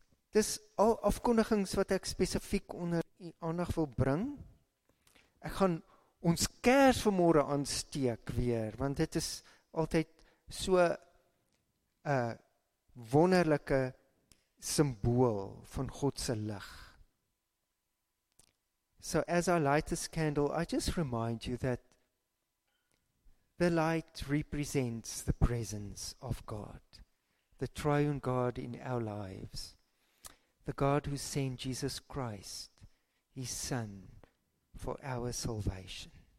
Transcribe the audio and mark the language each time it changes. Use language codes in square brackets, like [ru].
[af] Dis al afkondigings wat ek spesifiek onder u aandag wil bring. Ek gaan ons kers vanmôre aansteek weer, want dit is altyd so 'n wonderlike simbool van God se lig. [en] So as I light this candle, I just remind you that the light represents the presence of God, the triune God in our lives. The God who sent Jesus Christ, his Son, for our salvation.